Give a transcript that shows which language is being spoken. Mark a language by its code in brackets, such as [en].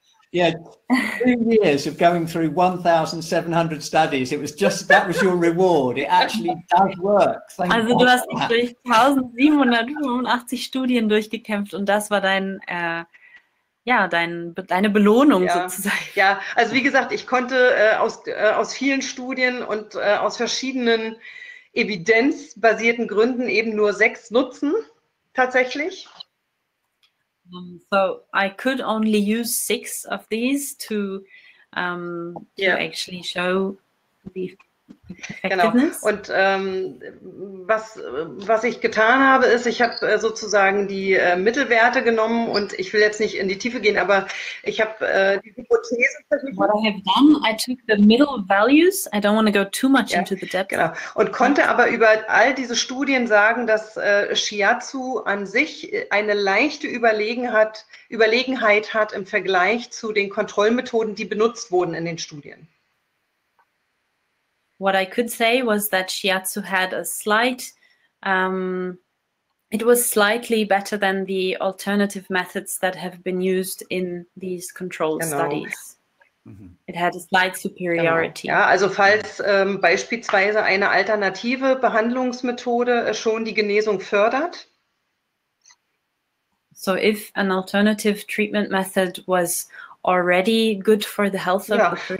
[en] Yeah, 2 years of going through 1,700 studies, that was your reward. It actually does work. Thank also God. [de] Du hast dich durch 1,785 Studien durchgekämpft und das war dein... deine Belohnung sozusagen. Ja, also wie gesagt, ich konnte aus vielen Studien und aus verschiedenen evidenzbasierten Gründen eben nur 6 nutzen, tatsächlich. [en] So I could only use 6 of these to actually show the effectiveness. Genau. [de] Und was ich getan habe, ist, ich habe sozusagen die Mittelwerte genommen und ich will jetzt nicht in die Tiefe gehen, aber ich habe die Hypothese. [en] What I have done, I took the middle values. I don't want to go too much into the depth. [de] Genau. Und konnte aber über all diese Studien sagen, dass Shiatsu an sich eine leichte Überlegenheit hat im Vergleich zu den Kontrollmethoden, die benutzt wurden in den Studien. [en] What I could say was that Shiatsu had a slight, it was slightly better than the alternative methods that have been used in these controlled studies. It had a slight superiority. [de] Ja, also falls beispielsweise eine alternative Behandlungsmethode schon die Genesung fördert. [en] So if an alternative treatment method was already good for the health of the person.